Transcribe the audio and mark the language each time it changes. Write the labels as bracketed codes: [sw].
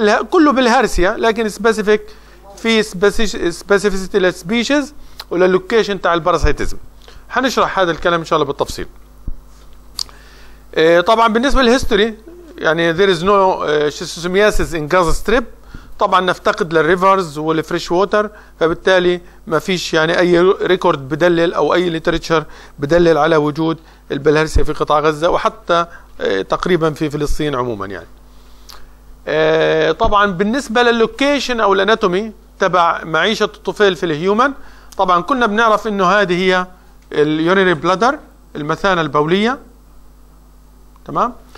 [ar] كله بالهرسيه، لكن specific في specificity للسبيشيز وللوكيشن تاع الباراسايتزم. حنشرح هذا الكلام ان شاء الله بالتفصيل. طبعا بالنسبه للهيستوري، يعني [en] there is no schistosomiasis in Gaza strip. [ar] طبعا نفتقد للريفرز والفريش ووتر، فبالتالي ما فيش يعني اي ريكورد بدلل او اي ليتريتشر بدلل على وجود البلهرسيا في قطاع غزه، وحتى تقريبا في فلسطين عموما. يعني طبعا بالنسبه لللوكيشن او الاناتومي تبع معيشه الطفيل في الهيومن، طبعا كنا بنعرف انه هذه هي اليورينري بلادر، المثانه البوليه. تمام.